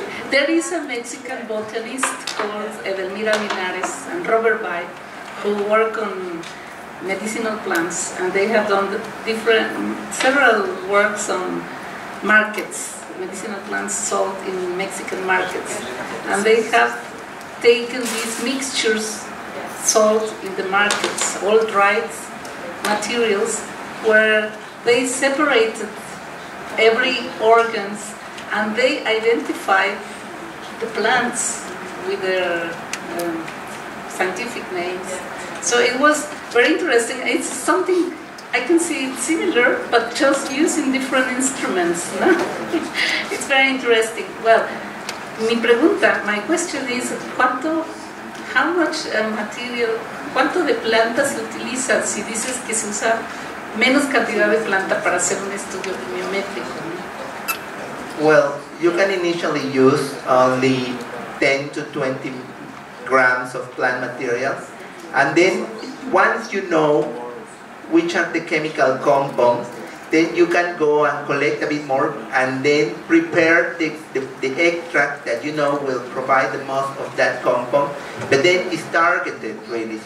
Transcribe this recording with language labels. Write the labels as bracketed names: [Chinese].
[English] There is a Mexican botanist called Edelmira Linares and Robert Bay, who work on medicinal plants, and they have done several works on markets, medicinal plants sold in Mexican markets, and they have taken these mixtures sold in the markets, all dried materials, where they separated every organs. And they identify the plants with their scientific names. So it was very interesting. It's something I can see similar, but just using different instruments. No? It's very interesting. Well, my question is, [Spanish] ¿cuánto de plantas se utiliza si dices que se usa menos cantidad de planta para hacer un estudio biométrico? [English] Well, you can initially use only 10 to 20 grams of plant materials, and then once you know which are the chemical compounds, then you can go and collect a bit more, and then prepare the extract that you know will provide the most of that compound, but then it's targeted really.